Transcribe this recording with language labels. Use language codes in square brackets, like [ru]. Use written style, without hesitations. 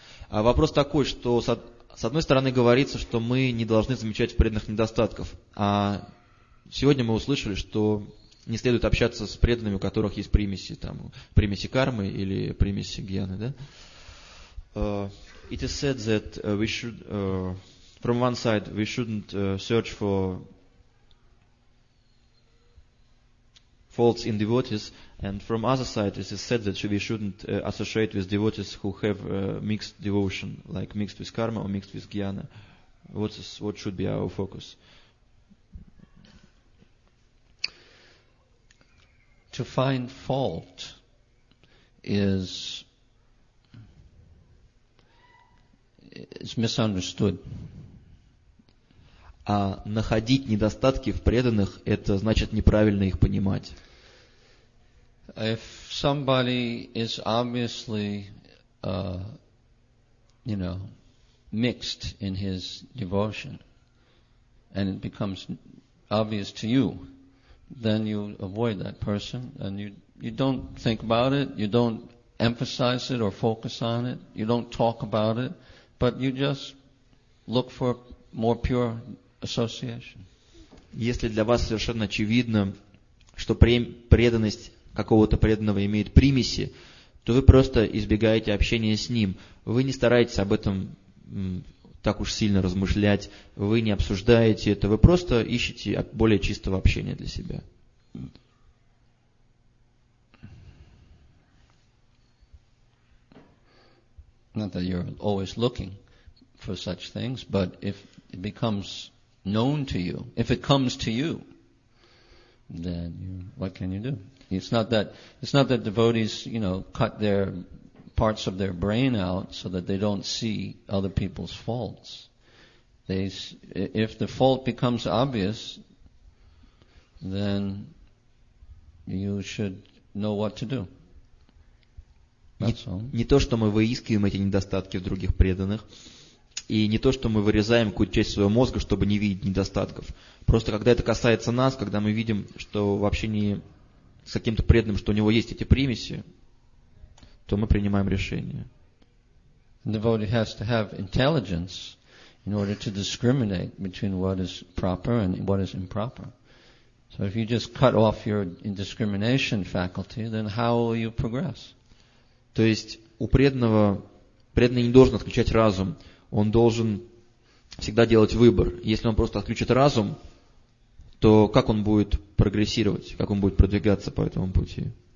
[ru] Вопрос такой, что с одной стороны говорится, что мы не должны замечать преданных недостатков. А сегодня мы услышали, что не следует общаться с преданными, у которых есть примеси, там, примеси кармы или примеси гьяны, да? [en] It is said that we should, from one side, we shouldn't search for faults in devotees, and from other side, it is said that we shouldn't associate with devotees who have mixed devotion, like mixed with karma or mixed with jnana. What should be our focus? To find fault is misunderstood. [ru] А находить недостатки в преданных – это значит неправильно их понимать. [en] If somebody is obviously, you know, mixed in his devotion, and it becomes obvious to you, then you avoid that person, and you don't think about it, you don't emphasize it or focus on it, you don't talk about it, but you just look for more pure association. [ru] Если для вас совершенно очевидно, что преданность какого-то преданного имеет примеси, то вы просто избегаете общения с ним. Вы не стараетесь об этом так уж сильно размышлять, вы не обсуждаете это, вы просто ищете более чистого общения для себя. [en] Not that you're always looking for such things, but if it becomes known to you, if it comes to you, then what can you do? It's not that devotees, you know, cut their parts of their brain out so that they don't see other people's faults. If the fault becomes obvious, then you should know what to do. That's all. [ru] Не то, что мы выискиваем эти недостатки в других преданных, и не то, что мы вырезаем какую-то часть своего мозга, чтобы не видеть недостатков. Просто когда это касается нас, когда мы видим, что вообще не с каким-то преданным, что у него есть эти примеси, то мы принимаем решение. [en] Devotee has to have intelligence in order to discriminate between what is proper and what is improper. So if you just cut off your indiscrimination faculty, then how will you progress? [ru] То есть у преданного, преданный не должен отключать разум, он должен всегда делать выбор. Если он просто отключит разум, то как он будет прогрессировать, как он будет продвигаться по этому пути?